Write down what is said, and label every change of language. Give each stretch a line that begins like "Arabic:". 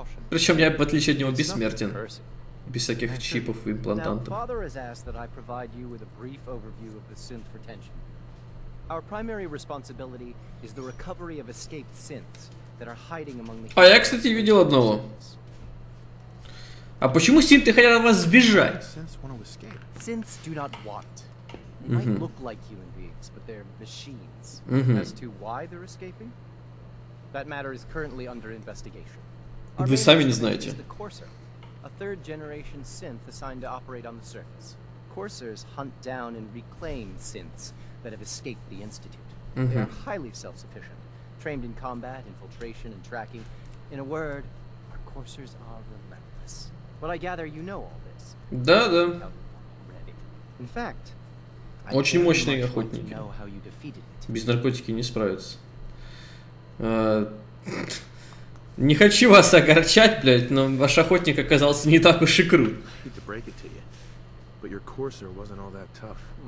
Russian: Причем я, в отличие от него, бессмертен. Без всяких чипов и имплантантов.
English: Father has asked that I provide you with a brief overview of the synth retention. Our primary responsibility is the recovery of escaped synths that are hiding among the...
Russian: А я, кстати, видел одного. А почему синты хотят от вас сбежать? Вы сами не знаете.
English: A third generation synth assigned to operate on the surface. Coursers hunt down and reclaim synths that have escaped the institute. They are highly self-sufficient, trained in combat, infiltration and tracking. In a word, our coursers are relentless. But I gather you know all this. Да-да. In fact,
Russian: очень мощные охотники. Без наркотики не справятся. Не хочу вас огорчать, блядь, но ваш охотник оказался не так уж и крут.
English: I hate to break it to you, but your courser wasn't all that tough.